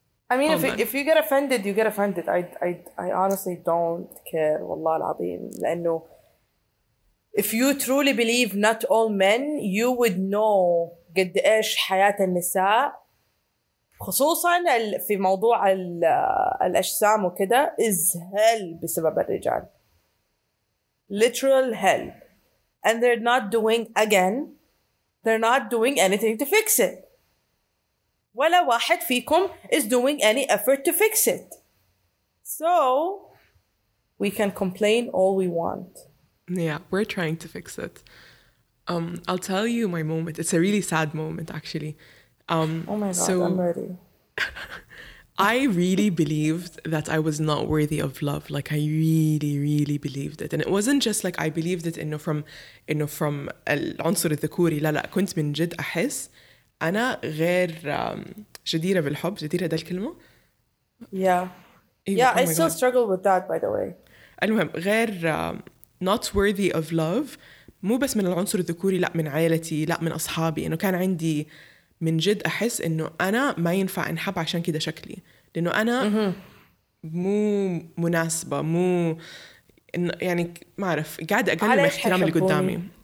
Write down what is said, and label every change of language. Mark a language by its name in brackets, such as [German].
[English] I mean if you get offended you get offended. I honestly don't care [Arabic] والله العظيم لأنه [English] if you truly believe not all men you would know [Arabic] قد إيش حياة النساء خصوصا في موضوع الأجسام وكده [English] is hell [Arabic] بسبب الرجال [English] literal hell. And they're not doing, again, they're not doing anything to fix it. [Arabic] ولا واحد فيكم [English] is doing any effort to fix it. So, we can complain all we want. Yeah, we're trying to fix it. I'll tell you my moment. It's a really sad moment, actually. Oh my God, so, I'm ready. I really believed that I was not worthy of love. Like I really, really believed it. And it wasn't just like I believed it إنه from إنه from [Arabic] العنصر الذكوري. لا لا كنت من جد أحس أنا غير جديرة بالحب. جديرة ده الكلمة. [English] Yeah. Oh I still struggle with that by the way. [Arabic] المهم غير [English] not worthy of love. [Arabic] مو بس من العنصر الذكوري لا من عائلتي لا من أصحابي إنه كان عندي من جد أحس إنه أنا ما ينفع أنحب عشان كده شكلي لأنه أنا مو مناسبة مو يعني ما أعرف قاعد أقلل من احترامي اللي قدامي.